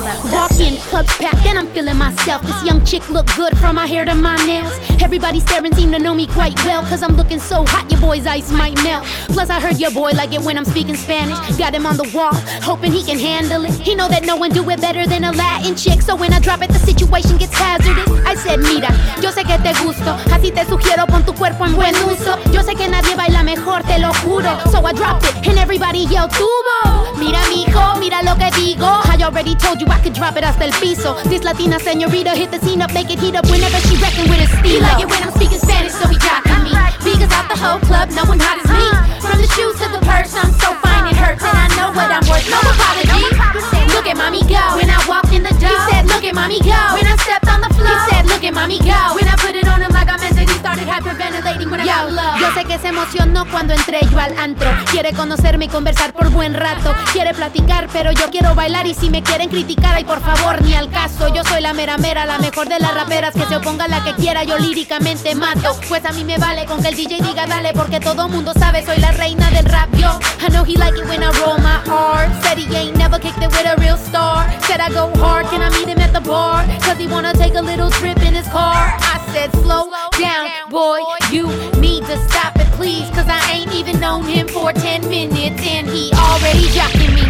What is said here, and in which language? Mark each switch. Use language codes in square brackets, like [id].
[en] Walking clubs packed and I'm feeling myself. This young chick look good from my hair to my nails. Everybody staring seem to know me quite well, cause I'm looking so hot your boy's ice might melt. Plus I heard your boy like it when I'm speaking Spanish. Got him on the wall, hoping he can handle it. He know that no one do it better than a Latin chick, so when I drop it the situation gets hazardous. I said [es] mira, yo sé que te gusto, así te sugiero pon tu cuerpo en buen uso. Yo sé que nadie baila mejor, te lo juro. [en] So I dropped it and everybody yelled tubo. [es] Mira mijo, mira lo que digo. [en] I already told you I could drop it [es] hasta el piso. [en] This Latina señorita hit the scene up, make it heat up whenever she reckon with a steel. He like it when I'm speaking Spanish, so he jocking me. Vegas out the whole club, no one hot as me. From the shoes to the purse, I'm so fine it hurts, and I know what I'm worth. No apology. Look at mommy go when I walked in the door. He said, look at mommy go when I stepped on the floor. He said, look at mommy go when I put it on him like I meant that. He started hyperventilating when I got low. [es] Yo sé que se emocionó cuando entré yo al antro. Quiere conocerme y conversar por buen rato. Quiere platicar, pero yo quiero bailar. Y si me quieren criticar, ay por favor, ni al caso. Yo soy la mera mera, la mejor de las raperas. Que se oponga la que quiera, yo líricamente mato. Pues a mí me vale con que el DJ diga dale, porque todo mundo sabe, soy la reina del rap, yo. [en] I know he like it when I roll my R. Said he ain't never kicked it with a real star. Said I go hard, can I meet him at the bar? Cause he wanna take a little trip in his car. I said slow down, boy, you need to stop it, please. Cause I ain't even known him for 10 minutes and he already jocking me.